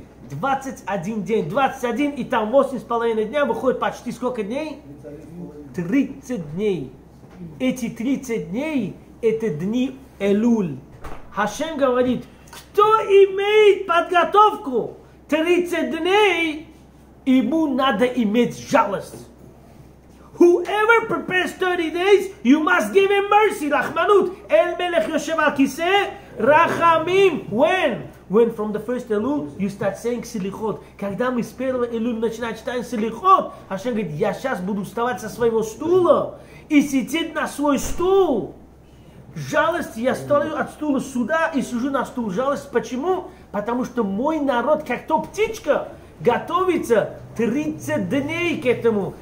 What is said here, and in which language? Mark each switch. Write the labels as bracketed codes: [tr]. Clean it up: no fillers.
[ru] 21 день. 21 и там 8,5 дня выходит почти сколько дней? 30 дней. Эти 30 дней это дни Элуль. Хашем говорит, кто имеет подготовку 30 дней, ему надо иметь жалость. [en] Whoever prepares 30 days, you must give him mercy. Rachmanut. [he] El melech yoshev al kiseh. Rachamim. [en] When from the first Elul, you start saying silichot. [ru] Когда мы с первого Элуля начинаем читать силихот, Hashem говорит, я сейчас буду вставать со своего стула и сидеть на свой стул. Жалость, я стою от стула сюда и сижу на стул. Жалость, почему? Потому что мой народ, как то птичка, готовится 30 дней к этому.